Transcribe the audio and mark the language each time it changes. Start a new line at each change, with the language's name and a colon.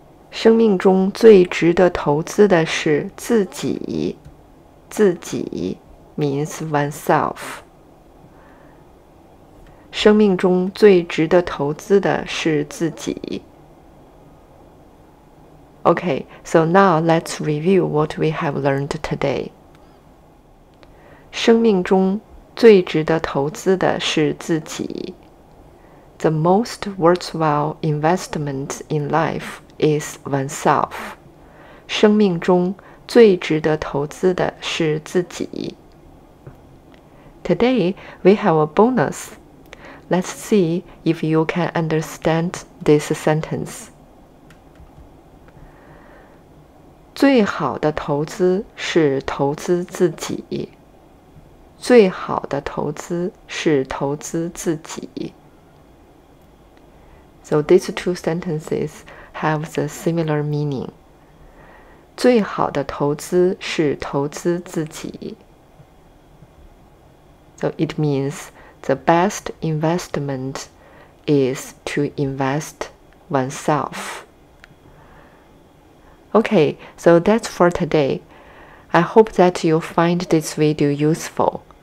Chinese: 生命中最值得投资的是自己。
English: 自己 means oneself.
Chinese: 生命中最值得投资的是自己。
English: Okay, so now let's review what we have learned today.
Chinese: 生命中最值得投资的是自己。
English: The most worthwhile investment in life is oneself.
Chinese: 生命中最值得投资的是自己。
English: Today, we have a bonus. Let's see if you can understand this sentence.
Chinese: 最好的投资是投资自己。最好的投资是投资自己。
English: So these two sentences have the similar meaning.
Chinese: 最好的投资是投资自己。
English: So it means the best investment is to invest oneself. Okay, so that's for today. I hope that you find this video useful.